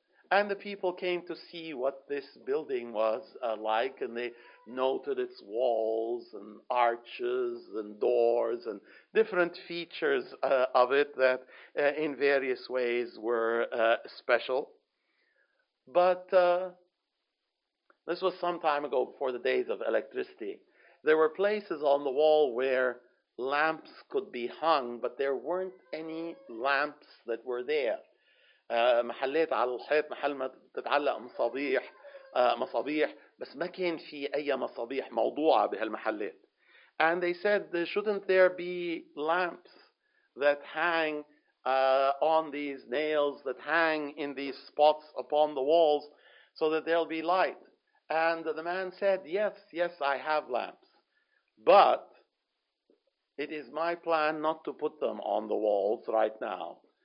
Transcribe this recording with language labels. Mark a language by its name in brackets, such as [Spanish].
[English] And the people came to see what this building was like, and they noted its walls and arches and doors and different features of it that in various ways were special. But this was some time ago, before the days of electricity. There were places on the wall where lamps could be hung, but there weren't any lamps that were there. [Arabic] محلات على الحيط محل ما تتعلق مصابيح مصابيح بس ما كان في أي مصابيح موضوعة بهالمحلات. [English] And they said, shouldn't there be lamps that hang on these nails, that hang in these spots upon the walls, so that there'll be light? And the man said, yes, I have lamps, but it is my plan not to put them on the walls right now.